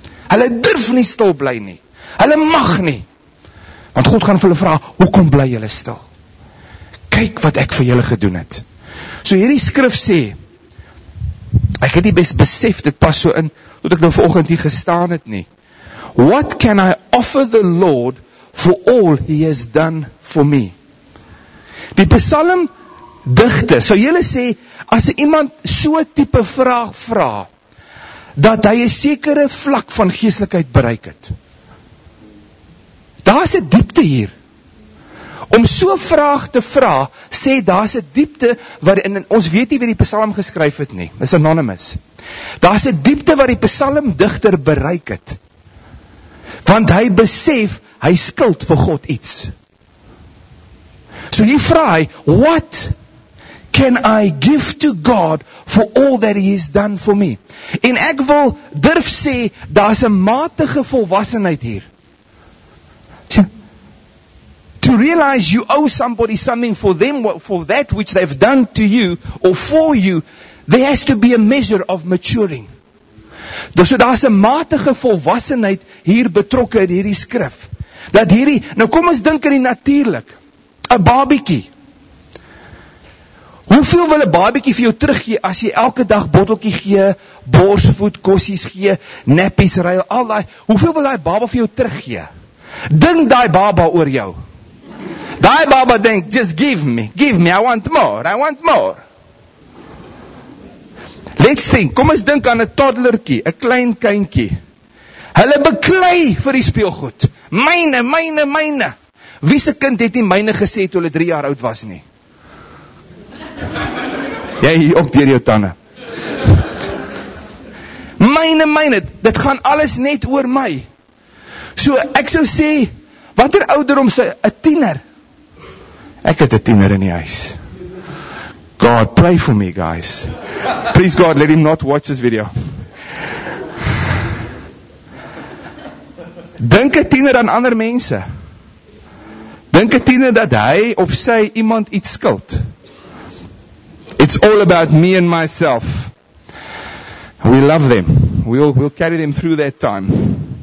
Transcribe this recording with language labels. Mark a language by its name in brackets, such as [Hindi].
[Afrikaans] Hulle durf nie stil bly nie. Hulle mag nie. Want God gaan vir hulle vra, hoekom bly julle stil? Kyk wat ek vir julle gedoen het. So hierdie skrif sê, ek het nie best besef, dit pas so in, tot ek nou vanoggend hier gestaan het nie. [English] What can I offer the Lord for all He has done for me? [Afrikaans] Die psalm digte, so julle sê, as iemand so type vraag vra, dat hy 'n sekere vlak van geestelikheid bereik het. Daar is 'n diepte hier. Om so 'n vraag te vra, sê daar is 'n diepte waarin ons weet nie wie die psalm geskryf het nie. Dis anonymous. Daar is 'n diepte wat die psalm digter bereik het. Want hy besef, hy skuld vir God iets. So hier vra hy, [English] what can I give to God for all that He has done for me? [Afrikaans] En ek wil durf sê, daar is 'n matige volwassenheid hier. [English] To realize you owe somebody something for them, for that which they've done to you, or for you, there has to be a measure of maturing. [Afrikaans] So daar's 'n matige volwassenheid hier betrokke in hierdie skrif. Dat hierdie, nou kom ons dink in die natuurlik, 'n babietjie. Hoeveel wil 'n babietjie vir jou teruggee as jy elke dag botteltjie gee, borsvoed, kossies gee, nappies ruil, al daai, hoeveel wil daai baba vir jou teruggee? Dink daai baba oor jou. Daai baba dink, [English] just give me, I want more. Let's think, [Afrikaans] kom ons dink aan 'n toddlertjie, 'n klein kindjie. Hulle beklei vir die speelgoed. Myne. Wie se kind het nie myne gesê toe hulle 3 jaar oud was nie? Jy hier ook deur jou tande. Myne, dit gaan alles net oor my. So ek sou sê, watter ouderdom sy, 'n tiener. Ek het 'n tiener in die huis. [English] God, pray for me guys. Please God, let him not watch this video. [Afrikaans] Dink 'n tiener aan ander mense. Dink 'n tiener dat hy of sy iemand iets skuld. [English] It's all about me and myself. We love them. We'll carry them through that time.